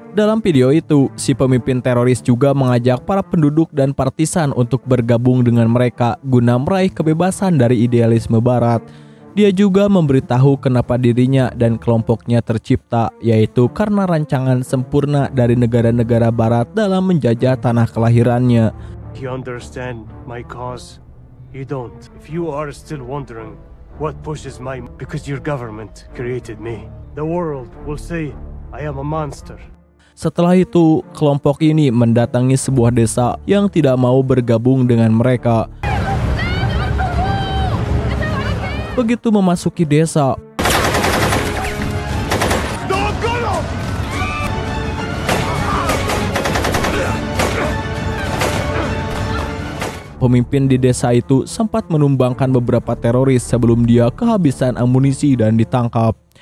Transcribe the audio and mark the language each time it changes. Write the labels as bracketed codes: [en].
[id] Dalam video itu, si pemimpin teroris juga mengajak para penduduk dan partisan untuk bergabung dengan mereka guna meraih kebebasan dari idealisme barat. Dia juga memberitahu kenapa dirinya dan kelompoknya tercipta, yaitu karena rancangan sempurna dari negara-negara barat dalam menjajah tanah kelahirannya. [en] He understand my cause. You don't. If you are still wondering what pushes my because your government created me. The world will say I am a monster. [id] Setelah itu, kelompok ini mendatangi sebuah desa yang tidak mau bergabung dengan mereka. Begitu memasuki desa, pemimpin di desa itu sempat menumbangkan beberapa teroris sebelum dia kehabisan amunisi dan ditangkap.